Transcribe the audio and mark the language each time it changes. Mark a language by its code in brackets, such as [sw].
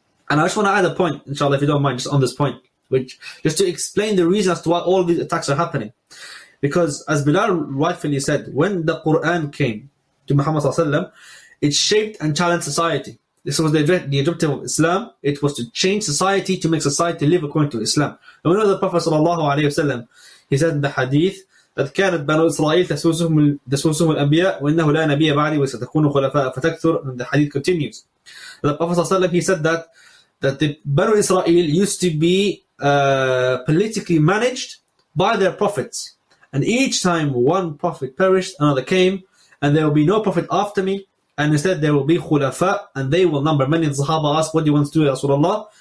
[en] And I just want to add a point, inshallah, if you don't mind, just on this point, which just to explain the reason as to why all these attacks are happening. Because as Bilal rightfully said, when the Quran came to Muhammad sallallahu alaihi wasallam, it shaped and challenged society. This was the objective of Islam. It was to change society, to make society live according to Islam. And we know the Prophet sallallahu alayhi wa sallam, he said in the hadith, that [ar] كانت بنو إسرائيل تسوسهم الأنبياء وإنه لا نبي بعد وستكون خلفاء فتكثر. [en] And the hadith continues. The Prophet sallallahu alayhi wa sallam, he said that the Banu Israel used to be politically managed by their prophets. And each time one prophet perished, another came, and there will be no prophet after me. And instead there will be khulafa, and they will number. Many of the Sahaba asked, what do you want to do, Rasulullah?